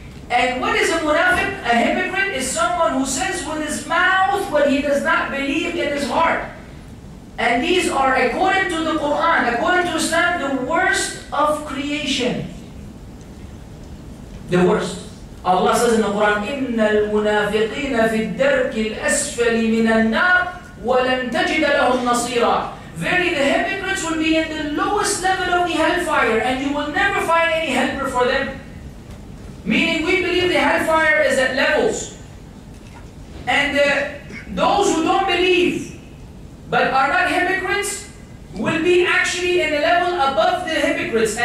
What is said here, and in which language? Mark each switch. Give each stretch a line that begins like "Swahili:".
English: And what is a munafiq? A hypocrite is someone who says with his mouth what he does not believe in his heart. And these are, according to the Quran, according to Islam, the worst of creation. The worst. Allah says in the Quran,
Arabic: إِنَّ الْمُنَافِقِينَ فِي الدَّرْكِ الْأَسْفَلِ مِنَ النَّارِ وَلَنْ تَجِدَ لَهُمْ نَصِيرًا.
English: Verily, the hypocrites will be in the lowest level of the hellfire, and you will never find any helper for them. Meaning, we believe the hellfire is at levels. And those who don't believe, but are not hypocrites, will be actually in a level above the hypocrites.